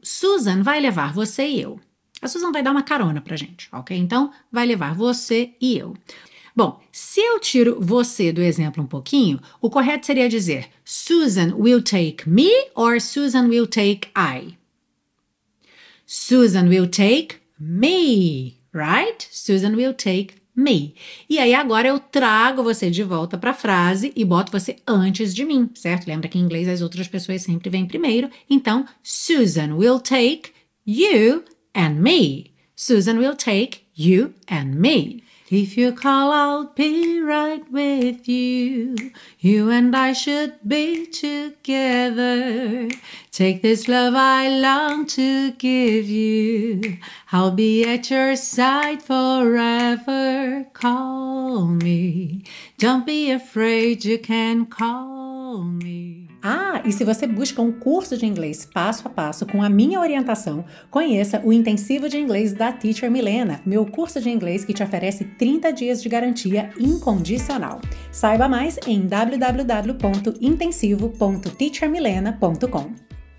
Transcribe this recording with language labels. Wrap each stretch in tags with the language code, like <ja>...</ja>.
<pt>Susan vai levar você e eu. A Susan vai dar uma carona pra gente, ok? Então vai levar você e eu. Bom, se eu tiro você do exemplo um pouquinho, o correto seria dizer</pt> <en>Susan will take me or Susan will take I. Susan will take me, right? Susan will take me.</en> <pt>E aí agora eu trago você de volta para a frase e boto você antes de mim, certo? Lembra que em inglês as outras pessoas sempre vêm primeiro.</pt> <en>Então, Susan will take you and me. Susan will take you and me. If you call, I'll be right with you. You and I should be together. Take this love I long to give you. I'll be at your side forever. Call me. Don't be afraid, you can call me.</en> <pt>Ah, e se você busca um curso de inglês passo a passo com a minha orientação, conheça o Intensivo de Inglês da Teacher Milena, meu curso de inglês que te oferece 30 dias de garantia incondicional. Saiba mais em www.intensivo.teachermilena.com.</pt>